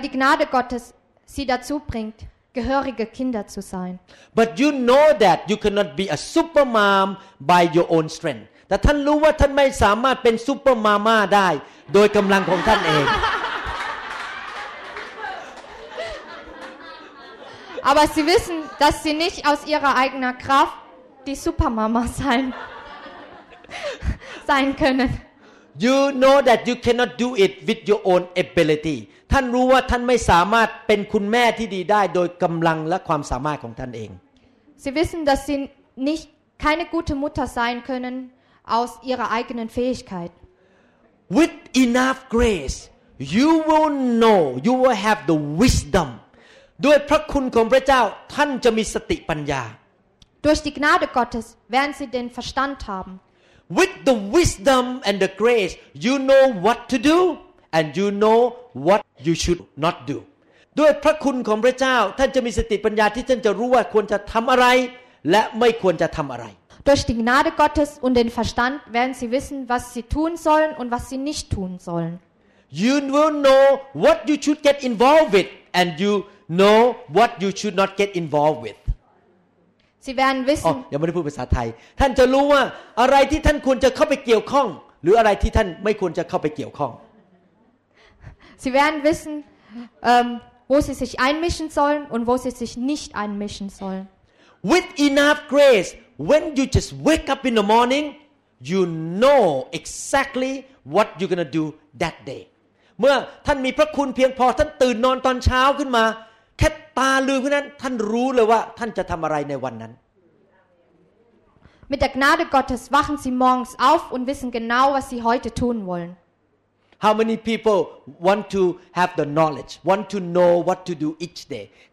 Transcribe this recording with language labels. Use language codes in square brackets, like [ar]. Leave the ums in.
[de] die Gnade Gottes sie dazu bringt, gehörige Kinder zu sein. [en] But you know that you cannot be a super by your own strength. [th] ถ้าท่านรู้ว่าท่านไม่สามารถเป็นซูเปอร์มาม่าได้โดยกำลังของท่านเอง [de] Aber Sie wissen, dass Sie nicht aus Ihrer eigenen Kraft die Supermama sein sein können. [en] you know that you cannot do it with your own ability [th] ท่านรู้ว่าท่านไม่สามารถเป็นคุณแม่ที่ดีได้ โดยกำลังและความสามารถของท่านเอง [de] Sie wissen, dass Sie nicht keine gute Mutter sein können aus Ihrer eigenen Fähigkeit. [en] With enough grace, you will know, you will have the wisdom. [th] ด้วยพระคุณของพระเจ้าท่านจะมีสติปัญญา [de] Durch die Gnade Gottes werden Sie den Verstand haben. [en] with the wisdom and the grace, you know what to do and you know what you should not do. [th] ด้วยพระคุณของพระเจ้าท่านจะมีสติปัญญาที่ท่านจะรู้ว่าควรจะทําอะไรและไม่ควรจะทําอะไร [de] Durch die Gnade Gottes und den Verstand sie wissen, was sie tun sollen und was sie nicht tun sollen. [en] You will know what you should get involved with and you know what you should not get involved with. [de] Sie werden wissen. Oh, [th] ยังไม่ได้พูดภาษาไทยท่านจะรู้ว่าอะไรที่ท่านควรจะเข้าไปเกี่ยวข้อง หรืออะไรที่ท่านไม่ควรจะเข้าไปเกี่ยวข้อง [de] Sie werden wissen um, wo sie sich einmischen sollen und wo sie sich nicht einmischen sollen [en] With enough grace when you just wake up in the morning you know exactly what you're gonna do that day [th] เมื่อท่านมีพระคุณเพียงพอท่านตื่นนอนตอนเช้าขึ้นมาแค่ตาลืมเพื่อนั้นท่านรู้เลยว่าท่านจะทำอะไรในวันนั้น [de] Mit der Gnade Gottes wachen Sie morgens auf und wissen genau, was Sie heute tun wollen. [en] How many people want to have the knowledge, want to know what to do each day?